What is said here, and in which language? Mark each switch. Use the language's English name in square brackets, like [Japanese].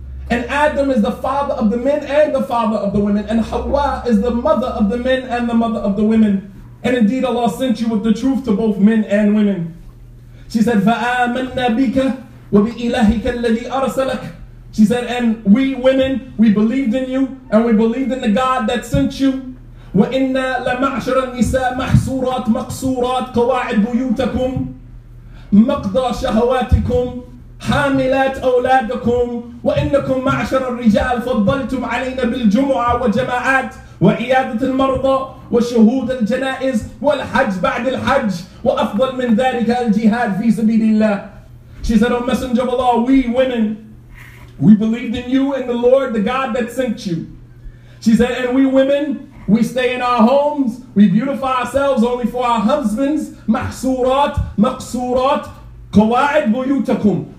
[English] And Adam is the father of the men and the father of the women. And Hawa is the mother of the men and the mother of the women. And indeed Allah sent you with the truth to both men and women. She said, [Arabic] فَآمَنَّا بِكَ وَبِإِلَهِكَ الَّذِي أَرْسَلَكَ. [English] She said, and we women, we believed in you, and we believed in the God that sent you. [Arabic] وَإِنَّا لَمَعْشَرَ النِّسَاءَ مَحْصُورَاتْ مَقْصُورَاتْ قَوَاعِدْ بُيُوتَكُمْ مَقْضَى شَهَوَاتِكُمْ حَامِلَاتْ أَوْلَادَكُمْ وَإِنَّكُمْ مَعْشَرَ الرِّجَالِ فَضَّلْتُمْ عَلَيْنَا بِالْجُمُعَةِ وَجَمَاعَاتْ وعيادة المرضى وشهود الجنائز والحج بعد الحج وأفضل من ذلك الجهاد في سبيل الله. [English] She said, O Messenger of Allah, we women, we believed in you and the Lord, the God that sent you. She said, and we women, we stay in our homes, we beautify ourselves only for our husbands. [Arabic] محصورات مقصورات قواعد بيوتكم.